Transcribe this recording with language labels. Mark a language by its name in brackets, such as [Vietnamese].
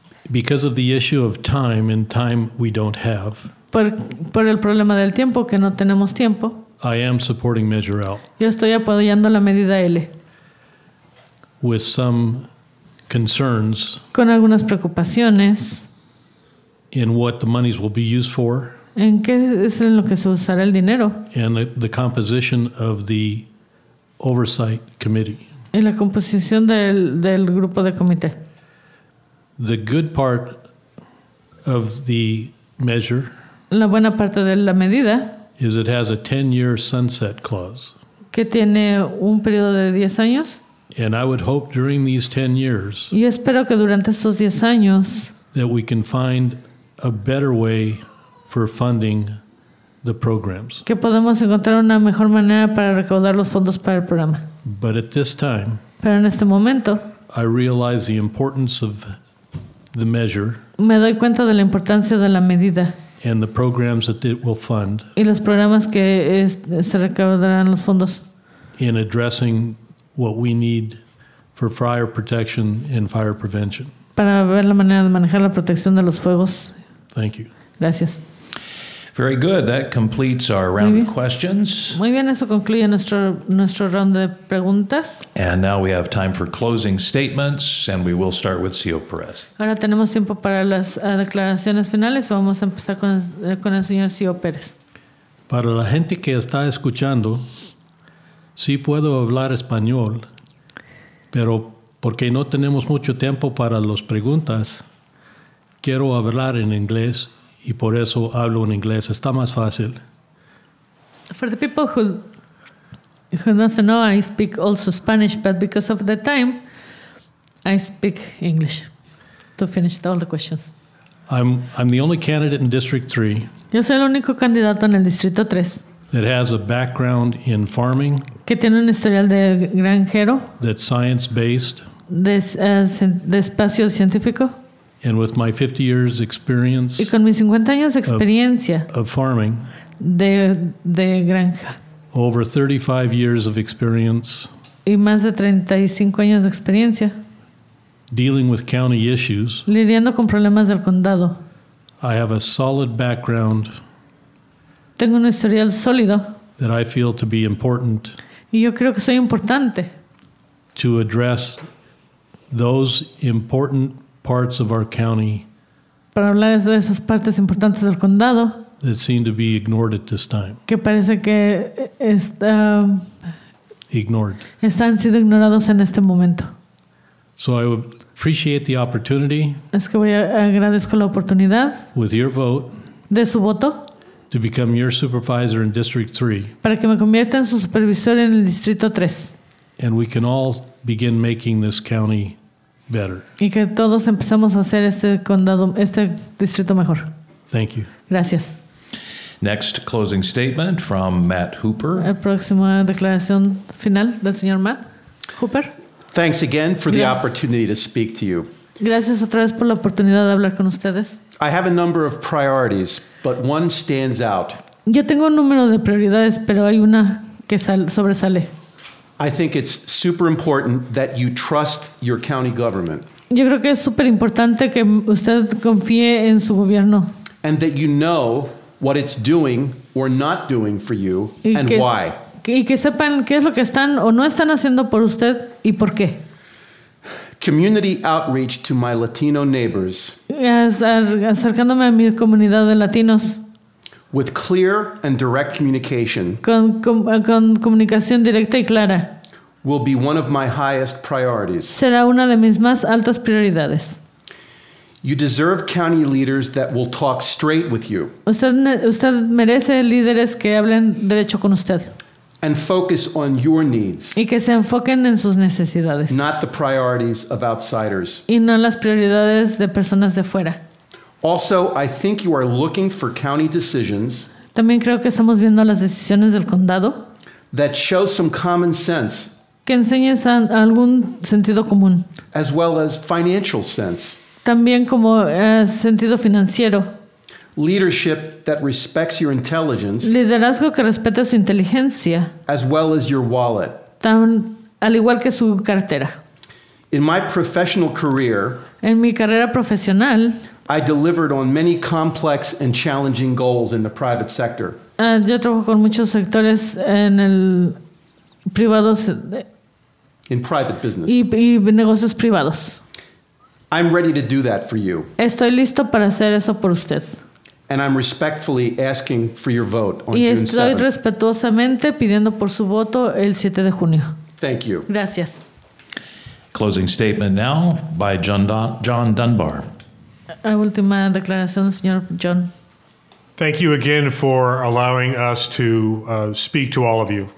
[English] because of the issue of time and time we don't have, [Spanish] por el problema del tiempo que no tenemos tiempo, [English] I am supporting Measure L. [Spanish] Yo estoy apoyando la medida L. [English] With some concerns, [Spanish] con algunas preocupaciones, [English] in what the monies will be used for, [Spanish] en qué es en lo que se usará el dinero, [English] and the composition of the oversight committee. [Spanish] En la composición del grupo de comité. [English] The good part of the measure, [Spanish] la buena parte de la medida, [English] is it has a 10-year sunset clause. [Spanish] Que tiene un periodo de 10 años. [English] And I would hope during these 10 years, [Spanish] y espero que durante estos 10 años, [English] that we can find a better way for funding the programs. [Spanish] Que podemos encontrar una mejor manera para recaudar los fondos para el programa. [English] But at this time, [Spanish] pero en este momento, [English] I realize the importance of the measure, [Spanish] me doy cuenta de la importancia de la medida, [English] and the programs that it will fund, [Spanish] y los programas que se recaudarán los fondos, [English] in addressing what we need for fire protection and fire prevention. [Spanish] Para ver la manera de manejar la protección de los fuegos. [English] Thank you. [Spanish] Gracias. [English] Very good. That completes our round of questions. [Spanish] Muy bien, eso concluye nuestro round de preguntas. [English] And now we have time for closing statements, and we will start with CEO Perez. [Spanish] Ahora tenemos tiempo para las declaraciones finales. Vamos a empezar con el señor CEO Perez. Para la gente que está escuchando, sí puedo hablar español, pero porque no tenemos mucho tiempo para las preguntas, quiero hablar en inglés. Y por eso hablo en inglés. Está más fácil. [English] For the people who don't know, I speak also Spanish, but because of the time, I speak English to finish all the questions. I'm the only candidate in District 3. [Spanish] Yo soy el único candidato en el Distrito 3. [English] That has a background in farming. [Spanish] Que tiene un historial de granjero. [English] That's science-based. [Spanish] De espacio científico. [English] And with my 50 years experience, [Spanish] y con mis 50 años de experiencia [English] of farming, [Spanish] de granja, [English] over 35 years of experience, [Spanish] y más de 35 años de experiencia, [English] dealing with county issues, [Spanish] lidiando con problemas del condado, [English] I have a solid background, [Spanish] tengo un historial sólido, [English] that I feel to be important, [Spanish] y yo creo que soy importante, [English] to address those important parts of our county, [Spanish] para hablar de esas partes importantes del condado, [English] that seem to be ignored at this time. [Spanish] Que parece que está, [English] ignored. [Spanish] Están siendo ignorados en este momento. [English] So I would appreciate the opportunity. [Spanish] Es que voy a agradezco la oportunidad. [English] With your vote. [Spanish] De su voto. [English] To become your supervisor in District 3. [Spanish] Para que me convierta en su supervisor en el Distrito 3. [English] And we can all begin making this county better. [Spanish] Y que todos empezamos a hacer este condado, este distrito mejor. [English] Thank you. [Spanish] Gracias. [English] Next closing statement from Matt Hooper. [Spanish] La próxima declaración final del señor Matt Hooper. [English] Thanks again for the opportunity to speak to you. [Spanish] Gracias otra vez por la oportunidad de hablar con ustedes. [English] I have a number of priorities, but one stands out. [Spanish] Yo tengo un número de prioridades, pero hay una que sobresale. [English] I think it's super important that you trust your county government. [Spanish] Yo creo que es super importante que usted confíe en su gobierno. [English] And that you know what it's doing or not doing for you and why. [Spanish] Y que sepan qué es lo que están o no están haciendo por usted y por qué. [English] Community outreach to my Latino neighbors. [Spanish] Acercándome a mi comunidad de latinos. [English] With clear and direct communication, [Spanish] con comunicación directa y clara, [English] will be one of my highest priorities. [Spanish] Será una de mis más altas prioridades. [English] You deserve county leaders that will talk straight with you. [Spanish] Usted merece líderes que hablen derecho con usted. [English] and focus on your needs. [Spanish] Y que se enfoquen en sus necesidades. [English] Not the priorities of outsiders. [Spanish] Y no las prioridades de personas de fuera. [English] Also, I think you are looking for county decisions. [Spanish] También creo que estamos viendo las decisiones del condado. [English] That show some common sense. [Spanish] Que enseñes algún sentido común. [English] As well as financial sense. [Spanish] También como sentido financiero. [English] Leadership that respects your intelligence. [Spanish] Liderazgo que respeta su inteligencia. [English] As well as your wallet. [Spanish] Al igual que su cartera. [English] In my professional career. [Spanish] En mi carrera profesional. [English] I delivered on many complex and challenging goals in the private sector. [Spanish] Yo trabajo con muchos sectores en el privados. [English] In private business. [Spanish] Y negocios privados. [English] I'm ready to do that for you. [Spanish] Estoy listo para hacer eso por usted. [English] And I'm respectfully asking for your vote on June 7th. [Spanish] Y estoy respetuosamente pidiendo por su voto el 7 de junio. [English] Thank you. [Spanish] Gracias. [English] Closing statement now by John Dunbar. [Spanish] Última declaración, señor John. [English] Thank you again for allowing us to speak to all of you.